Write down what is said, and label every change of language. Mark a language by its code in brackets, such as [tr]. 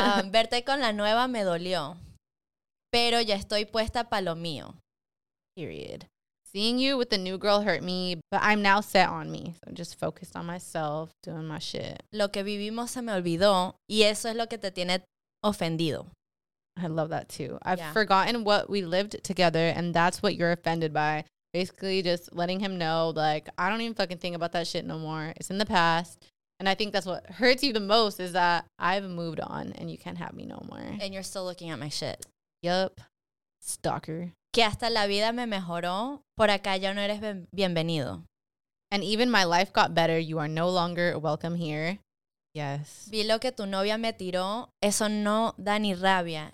[es] Verte con la nueva me dolió, pero ya estoy puesta pa lo mío. [en] Period. Seeing you with the new girl hurt me, but I'm now set on me. So I'm just focused on myself, doing my shit. [es] Lo que vivimos se me olvidó, y eso es lo que te tiene ofendido. [en] I love that too. I've forgotten what we lived together, and that's what you're offended by. Basically just letting him know, like, I don't even fucking think about that shit no more. It's in the past. And I think that's what hurts you the most is that I've moved on and you can't have me no more. And you're still looking at my shit. Yup. Stalker. [es] Que hasta la vida me mejoró, por acá ya no eres bienvenido. [en] And even my life got better, you are no longer welcome here. Yes. [es] Vi lo que tu novia me tiró, eso no da ni rabia.